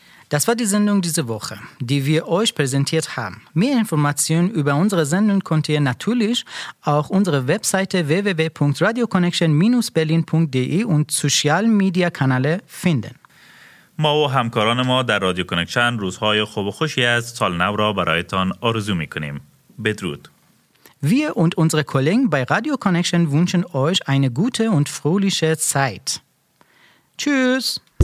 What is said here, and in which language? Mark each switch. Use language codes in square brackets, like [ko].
[de] Das war die Sendung diese Woche, die wir euch präsentiert haben. Mehr Informationen über unsere Sendung könnt ihr natürlich auch unsere Webseite www.radioconnection-berlin.de und Social Media Kanäle finden. [fa] ما و همکاران ما در رادیو کانکشن روزهای خوب و خوشی از سال نو را برایتان آرزو می‌کنیم. بدرود. [de] Wir und unsere Kollegen bei Radio Connection wünschen euch eine gute und fröhliche Zeit. Tschüss.